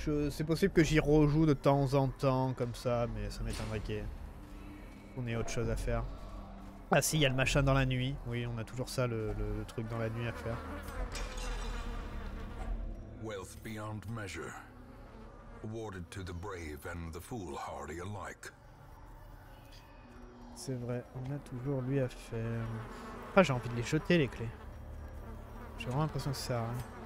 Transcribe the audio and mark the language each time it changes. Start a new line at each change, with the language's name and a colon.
French: C'est possible que j'y rejoue de temps en temps comme ça, mais ça m'étonnerait qu'on ait autre chose à faire. Ah si, il y a le machin dans la nuit. Oui, on a toujours ça, le truc dans la nuit à faire.
English: Wealth beyond measure, awarded to the brave and the foolhardy alike.
French: C'est vrai, on a toujours lui à faire. Ah, j'ai envie de les jeter les clés. J'ai vraiment l'impression que ça sert à rien.